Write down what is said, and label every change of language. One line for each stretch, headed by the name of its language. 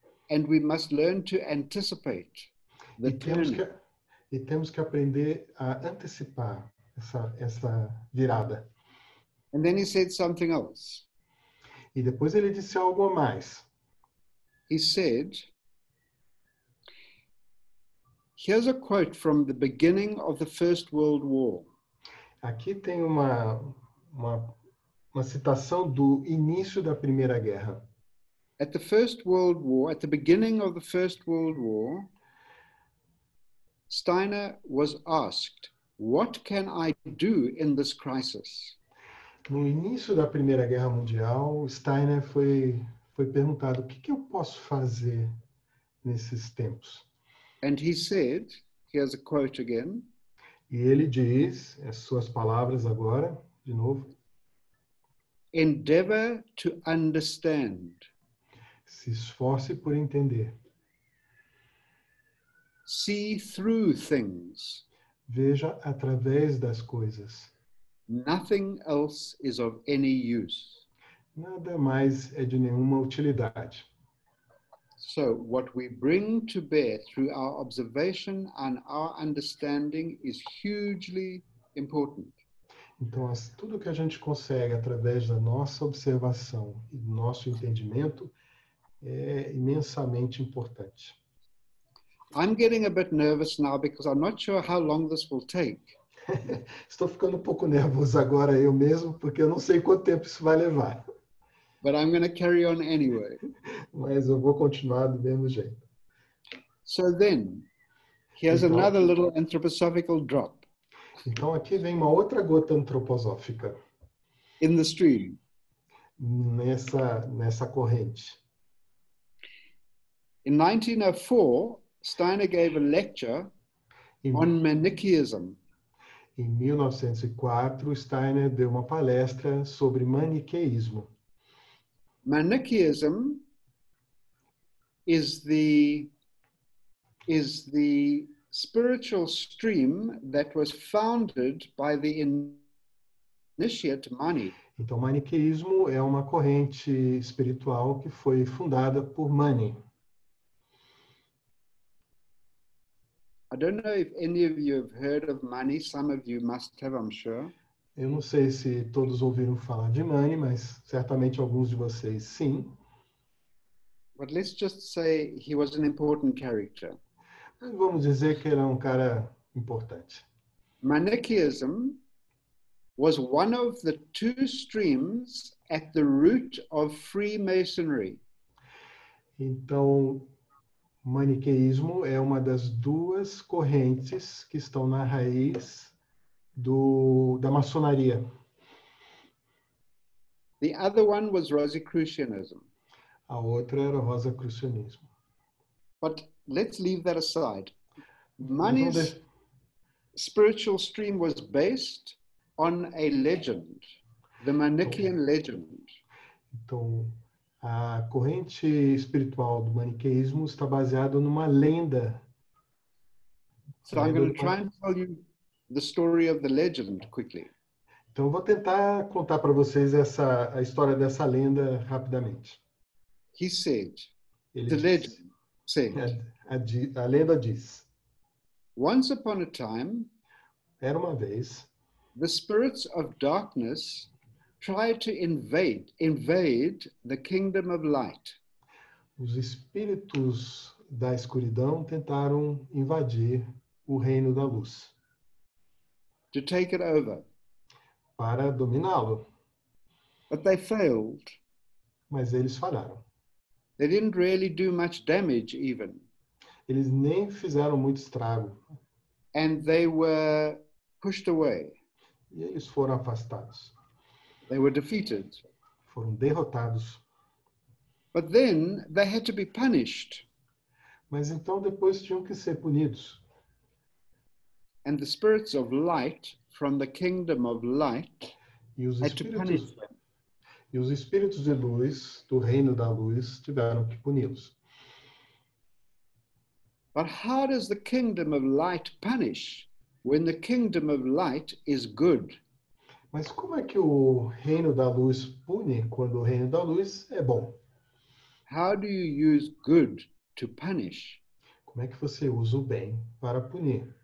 English: And we must learn to anticipate the turning.
Portuguese: E temos que aprender a antecipar essa virada.
English: And then he said something else.
Portuguese: E depois ele disse algo a mais.
English: He said, here's a quote from the beginning of the First World War.
Portuguese: Aqui tem uma citação do início da Primeira Guerra.
English: At the First World War, at the beginning of the First World War, Steiner was asked, what can I do in this crisis?
Portuguese: No início da Primeira Guerra Mundial, Steiner foi perguntado, o que eu posso fazer nesses tempos?
English: And he said, here's a quote again.
Portuguese: E ele diz, as suas palavras agora, de novo.
English: Endeavor to understand.
Portuguese: Se esforce por entender.
English: See through things.
Portuguese: Veja através das coisas.
English: Nothing else is of any use.
Portuguese: Nada mais é de nenhuma utilidade.
English: So, what we bring to bear through our observation and our understanding is hugely important.
Portuguese: Então, tudo que a gente consegue através da nossa observação e do nosso entendimento é imensamente importante.
English: I'm getting a bit nervous now because I'm not sure how long this will take.
Portuguese: Estou ficando um pouco nervoso agora eu mesmo, porque eu não sei quanto tempo isso vai levar.
English: But I'm going to carry on anyway.
Portuguese: Mas eu vou continuar do mesmo jeito.
English: So then, he has another little anthropological drop.
Portuguese: Então aqui vem uma outra gota antroposófica.
English: In the stream.
Portuguese: Nessa corrente.
English: In 1904, Steiner gave a lecture on Manichaeism.
Portuguese: Em 1904, Steiner deu uma palestra sobre maniqueísmo.
English: Manichaeism is the spiritual stream that was founded by the initiate Mani.
Portuguese: Então, maniqueísmo é uma corrente espiritual que foi fundada por Mani.
English: I don't know if any of you have heard of Mani. Some of you must have, I'm sure.
Portuguese: Eu não sei se todos ouviram falar de Mani, mas certamente alguns de vocês sim.
English: But let's just say he was an important character.
Portuguese: Mas vamos dizer que era um cara importante.
English: Manichaeism was one of the two streams at the root of Freemasonry.
Portuguese: Então, maniqueísmo é uma das duas correntes que estão na raiz da maçonaria.
English: The other one was Rosicrucianism.
Portuguese: A outra era Rosicrucianismo.
English: But let's leave that aside. Mani's spiritual stream was based on a legend, the Manichaean legend.
Portuguese: Então, A corrente espiritual do maniqueísmo está baseada numa lenda.
English: So I'm going to try and tell you the story of the legend quickly.
Portuguese: Então, vou tentar contar para vocês a história dessa lenda rapidamente.
English: He said,
Portuguese: Ele
English: the
Portuguese: diz,
English: legend said,
Portuguese: a lenda diz,
English: Once upon a time,
Portuguese: era uma vez,
English: the spirits of darkness tried to invade the kingdom of light.
Portuguese: os espíritos da escuridão tentaram invadir o reino da luz.
English: To take it over.
Portuguese: Para dominá-lo.
English: But they failed.
Portuguese: Mas eles falharam.
English: They didn't really do much damage even.
Portuguese: Eles nem fizeram muito estrago.
English: And they were pushed away.
Portuguese: E eles foram afastados.
English: They were defeated.
Portuguese: Foram derrotados.
English: But then they had to be punished.
Portuguese: Mas então depois tinham que ser punidos.
English: And the spirits of light from the kingdom of light had to punish them.
Portuguese: E os espíritos de luz, do reino da luz, tiveram que puni-los.
English: But how does the kingdom of light punish when the kingdom of light is good?
Portuguese: Mas como é que o reino da luz pune quando o reino da luz é bom?
English: How do you use good to punish?
Portuguese: Como é que você usa o bem para punir?